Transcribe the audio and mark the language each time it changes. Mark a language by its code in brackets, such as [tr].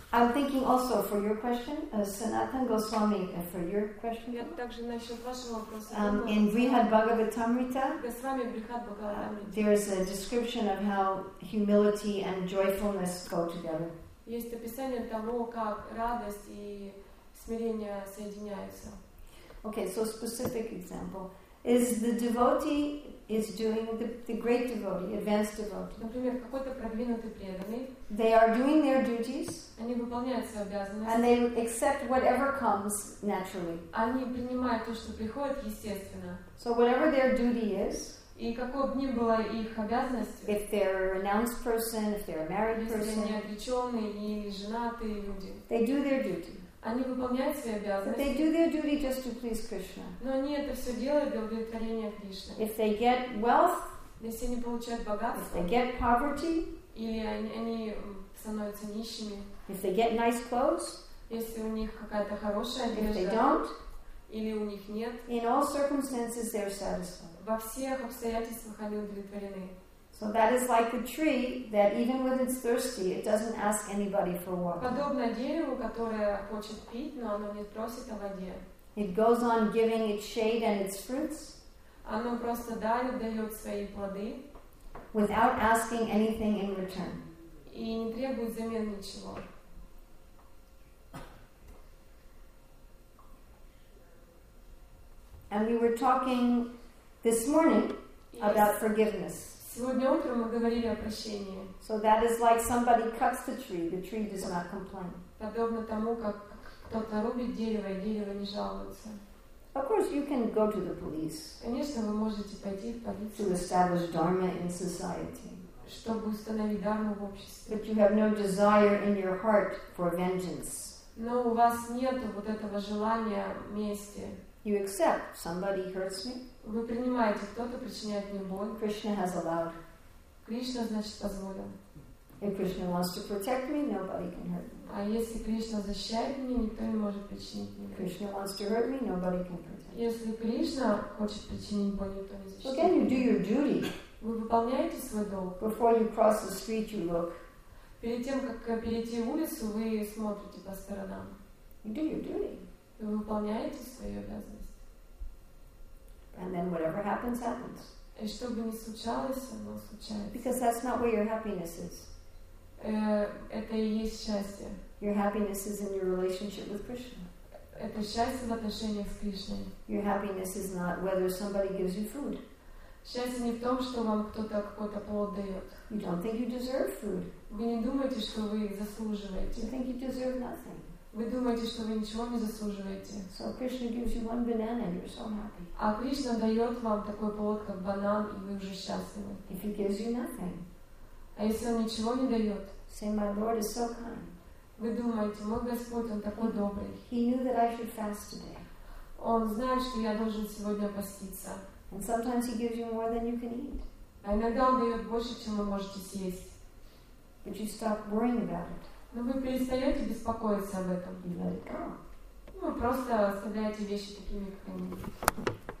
[en] I'm thinking also for your question, Sanatan Goswami, for your question. In Brihad Bhagavatamrita, there is a description of how humility and joyfulness go together. [ru] Есть описание того, как радость и смирение соединяются. [en] Okay, so specific example. Is the devotee is doing the great devotee, advanced devotee. [ru] Например, какой-то продвинутый преданный. [en] They are doing their duties. [ru] Они выполняют свои обязанности. [en] And they accept whatever comes naturally. [ru] Они принимают то, что приходит естественно. [en] So whatever their duty is. [ru] И какой бы ни была их обязанность. [en] If they're an announced person, if they're a married person. [ru] Если они отвлеченные и женатые люди. [en] They do their duty. [ru] Они выполняют свои обязанности. [en] But they do their duty just to please Krishna. [ru] Но они это все делают для удовлетворения Кришны. [en] If they get wealth, [ru] если они получают богатство, [en] if they get poverty, [ru] или они становятся нищими, [en] if they get nice clothes, [ru] если у них какая-то хорошая одежда, [en] if they don't, [ru] или у них нет, [en] in all circumstances they're satisfied. [ru] Во всех обстоятельствах они удовлетворены. [en] So that is like a tree that even when it's thirsty, it doesn't ask anybody for water. [ru] Подобно дереву, которое хочет пить, но оно не просит о воде. [en] It goes on giving its shade and its fruits. [ru] Оно просто дает свои плоды. [en] Without asking anything in return. [ru] И не требует взамен ничего. [en] And we were talking this morning about forgiveness. [ru] Сегодня утром мы говорили о прощении. [en] So that is like somebody cuts the tree does not complain. [ru] Подобно тому, как кто-то рубит дерево, и дерево не жалуется. [en] Of course, you can go to the police. [ru] Конечно, вы можете пойти в полицию. [en] To establish dharma in society. [ru] Чтобы установить дхарму в обществе. [en] But you have no desire in your heart for vengeance. [ru] Но у вас нет вот этого желания мести. [en] You accept somebody hurts me. [ru] Вы принимаете, кто-то причиняет мне боль. [en] Krishna has allowed. [ru] Кришна, значит, позволил. [en] If Krishna wants to protect me, nobody can hurt me. [ru] А если Кришна защищает меня, никто не может причинить мне боль. [en] Krishna wants to hurt me, nobody can protect me. [ru] Если Кришна хочет причинить боль, никто не защищает. [en] Again, you do your duty. [ru] Вы выполняете свой долг. [en] Before you cross the street, you look. [ru] Перед тем, как перейти улицу, вы смотрите по сторонам. [en] You do your duty. [ru] Вы выполняете свою обязанность. [en] And then whatever happens, happens. [ru] И что бы ни случалось, оно случается. [en] Because that's not where your happiness is. [ru] Это и есть счастье. [en] Your happiness is in your relationship with Krishna. [ru] Это счастье в отношениях с Кришной. [en] Your happiness is not whether somebody gives you food. [ru] Счастье не в том, что вам кто-то какой-то плод дает. [en] You don't think you deserve food. [ru] Вы не думаете, что вы заслуживаете. [en] You think you deserve nothing. [ru] Вы думаете, что вы ничего не заслуживаете. [en] So Krishna gives you one banana, you're so happy. [ru] А Кришна дает вам такой плод, как банан, и вы уже счастливы. [en] If he gives you nothing. [ru] А если он ничего не дает. [en] Say, my Lord is so kind. [ru] Вы думаете, мой Господь, он такой добрый. [en] He knew that I should fast today. [ru] Он знает, что я должен сегодня поститься. [en] And sometimes he gives you more than you can eat. [ru] А иногда он дает больше, чем вы можете съесть. [en] But you stop worrying about it. [ru] Но вы перестаете беспокоиться об этом. [en] You let it go. [ru] Вы просто оставляете вещи такими, как они.